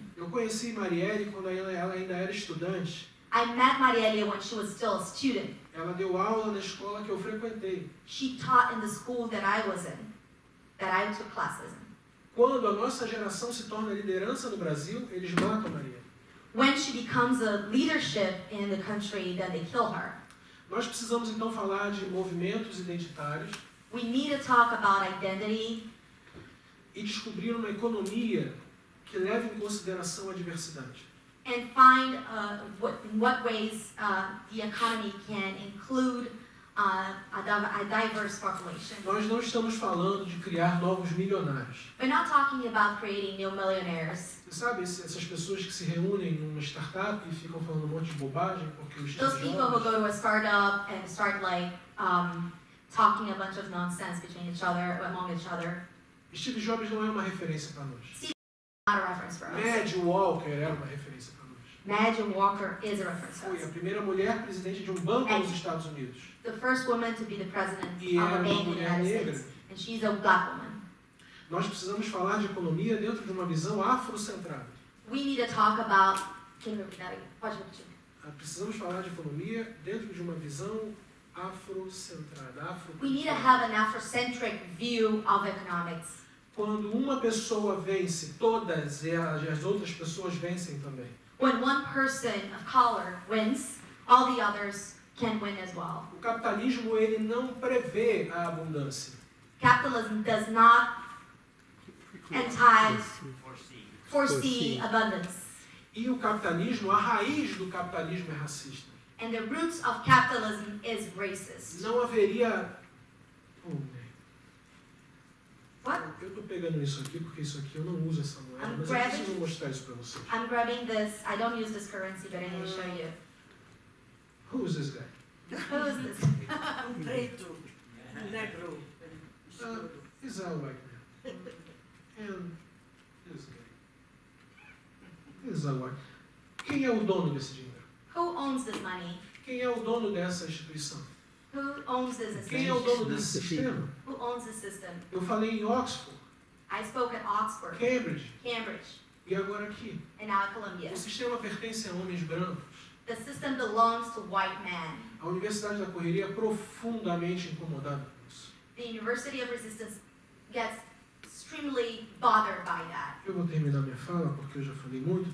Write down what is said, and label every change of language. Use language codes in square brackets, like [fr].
[pt] Eu conheci Marielle quando ela ainda era estudante. [en] I met Marielle when she was still a student. [pt] Ela deu aula na escola que eu frequentei. [en] She taught in the school that I was in, that I took classes in. [pt] Quando a nossa geração se torna liderança no Brasil, eles matam Marielle. [en] When she becomes a leadership in the country, then they kill her. [pt] Nós precisamos então falar de movimentos identitários. [en] We need to talk about identity. [pt] E descobrir uma economia que leve em consideração a diversidade. [en] And find in what ways the economy can include a diverse population. [pt] Nós não estamos falando de criar novos milionários. [en] We're not talking about creating new millionaires. [pt] Você sabe, essas pessoas que se reúnem em uma startup e ficam falando um monte de bobagem porque os [en] Those people [pt] jovens... [en] who go to a startup and start like talking a bunch of nonsense between each other among each other. [pt] Steve Jobs não é uma referência para nós. Madge Walker é uma referência para nós. [en] Madge Walker is a reference. [pt] Foi a primeira mulher presidente de banco nos Estados Unidos. [en] The first woman to be the president [pt] e [en] of a bank in the United States. And she's a black woman. [pt] Nós precisamos falar de economia dentro de uma visão afrocentrada. [en] We need to talk about... Can you repeat that again? [pt] Pode repetir. Precisamos falar de economia dentro de uma visão afrocentrada. [en] We need to have an afrocentric view of economics. [pt] Quando uma pessoa vence, todas e as outras pessoas vencem também. [en] When one person of color wins, all the others can win as well. O capitalismo ele não prevê a abundância. Capitalism does not foresee abundance. [pt] E o capitalismo, a raiz do capitalismo é racista. [en] And the roots of capitalism is racist. [pt] Não haveria... [en] What? [pt] Eu estou pegando isso aqui, porque isso aqui eu não uso essa moeda, [en] I'm [pt] mas [en] grabbing... [pt] eu preciso mostrar isso para vocês. [en] I'm grabbing this. I don't use this currency, but I'm going to show you. Who is this guy? Who is this? [pt] Um preto. Negro. [en] He's a white man. And this guy. [pt] Quem é o dono desse dinheiro? [en] Who owns this money? [pt] Quem é o dono dessa instituição? [en] Who owns this [pt] Quem é o dono desse sistema? [en] Who owns this system? [pt] Eu falei em Oxford. [en] I spoke at Oxford. [pt] Cambridge. [en] Cambridge. [pt] E agora aqui. [en] And now Columbia. [pt] O sistema pertence a homens brancos. [en] The system belongs to white men. [pt] A Universidade da Correria é profundamente incomodada com isso. [en] The University of Resistance gets extremely bothered by that. [pt] Eu vou terminar minha fala porque eu já falei muito.